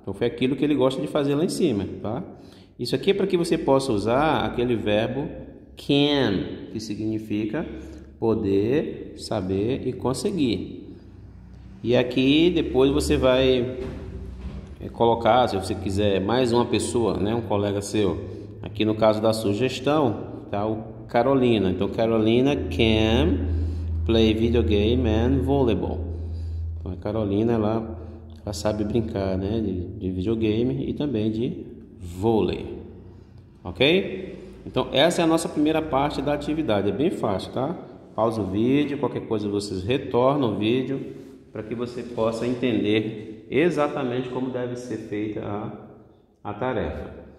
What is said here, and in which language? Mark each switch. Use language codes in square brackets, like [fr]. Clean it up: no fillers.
[pt] Então, foi aquilo que ele gosta de fazer lá em cima, tá? Isso aqui é para que você possa usar aquele verbo can, que significa poder, saber e conseguir. E aqui, depois você vai colocar, se você quiser, mais uma pessoa, né, um colega seu. Aqui no caso da sugestão, tá? O Carolina. [en] Então, Carolina can play video game and volleyball. [pt] Então, a Carolina, ela sabe brincar, né, de videogame e também de vôlei. Ok? Então, essa é a nossa primeira parte da atividade. É bem fácil, tá? Pausa o vídeo, qualquer coisa vocês retornam o vídeo para que você possa entender exatamente como deve ser feita a tarefa.